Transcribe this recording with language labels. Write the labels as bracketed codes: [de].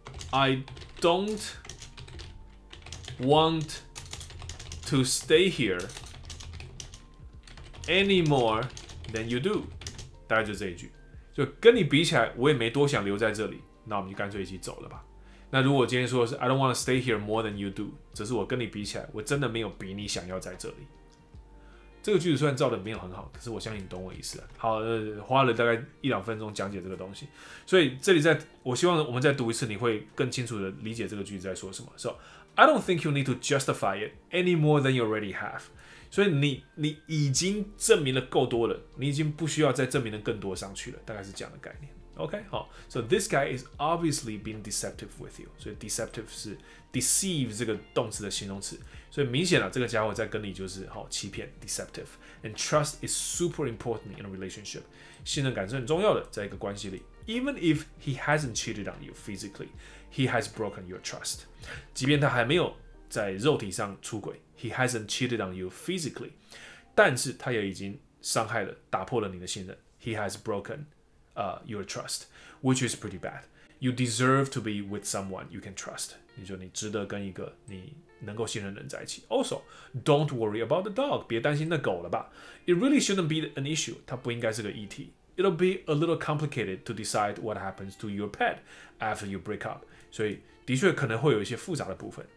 [en] I don't want to stay here any more than you do。 [zh] 大概就这一句，就跟你比起来，我也没多想留在这里，那我们就干脆一起走了吧。那如果今天说的是 [en] I don't want to stay here more than you do， [zh] 只是我跟你比起来，我真的没有比你想要在这里。这个句子虽然造的没有很好，可是我相信你懂我意思了。好，花了大概一两分钟讲解这个东西，所以这里在我希望我们再读一次，你会更清楚的理解这个句子在说什么。 [en] So I don't think you need to justify it any more than you already have。 [zh] 所以你已经证明了够多了，你已经不需要再证明的更多上去了，大概是这样的概念。 [en] OK， 好 ，So this guy is obviously being deceptive with you。 [zh] 所以 deceptive 是 deceive 这个动词的形容词。所以明显了，这个家伙在跟你就是好欺骗 ，deceptive。 [en] And trust is super important in a relationship。 [zh] 信任感是很重要的，在一个关系里。 [en] Even if he hasn't cheated on you physically, he has broken your trust。 [zh] 即便他还没有在肉体上出轨 ， [en] he hasn't cheated on you physically， [zh] 但是他也已经伤害了、打破了你的信任。 [en] He has broken。 Your trust, which is pretty bad. You deserve to be with someone you can trust. [zh] 你就你值得跟一个你能够信任的人在一起。 [en] Also, don't worry about the dog. [zh] 别担心那狗了吧。 [en] It really shouldn't be an issue. [zh] 它不应该是个议题。 [en] It'll be a little complicated to decide what happens to your pet after you break up. [zh] 所以的确可能会有一些复杂的部分。